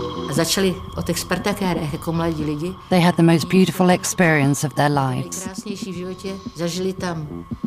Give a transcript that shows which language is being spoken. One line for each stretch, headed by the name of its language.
Czech: Začali od těch spartakérech jako mladí lidi.
English: They had the most beautiful experience of their lives.
Czech: Nejkrásnější v životě zažili tam.